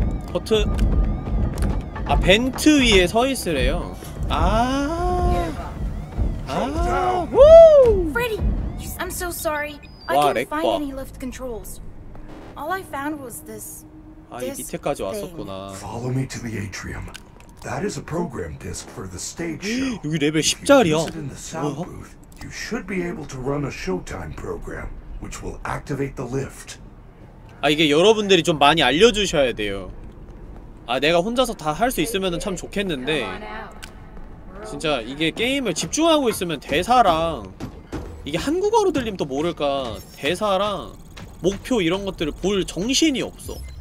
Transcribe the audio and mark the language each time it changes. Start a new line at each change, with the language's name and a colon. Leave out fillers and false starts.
Korean: 버튼 아 벤트 위에 서 있으래요. 아아
English: Freddy, I'm so sorry. I can't find any lift controls. All I found was this.
Korean: 아 이 밑에까지 왔었구나.
English: Follow me to the atrium. That is a program disc for the stage show.
Korean: 여기 레벨 10짜리야.
English: You should be able to run a showtime program, which will activate the lift.
Korean: 아 이게 여러분들이 좀 많이 알려주셔야 돼요. 아 내가 혼자서 다 할 수 있으면은 참 좋겠는데 진짜 이게 게임을 집중하고 있으면 대사랑 이게 한국어로 들리면 또 모를까 대사랑 목표 이런 것들을 볼 정신이 없어.